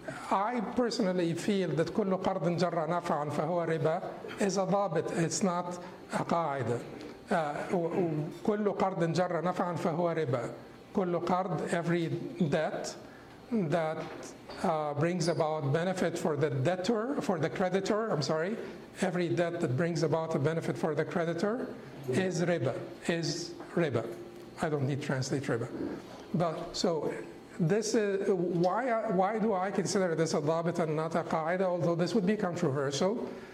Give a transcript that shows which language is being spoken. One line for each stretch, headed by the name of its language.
English: I personally feel that
Arabic: kullu qardin jarra nafa'an fa huwa riba
English: is a dabit, it's not a qa'ida.
Arabic: كل قرض جرى نفعا فهو ربا. كل قرض,
English: every debt that brings about benefit for the debtor, for the creditor, I'm sorry, every debt that brings about a benefit for the creditor is riba, I don't need to translate riba. But so this is, why do I consider this a dhabit and not a qa'ida, although this would be controversial?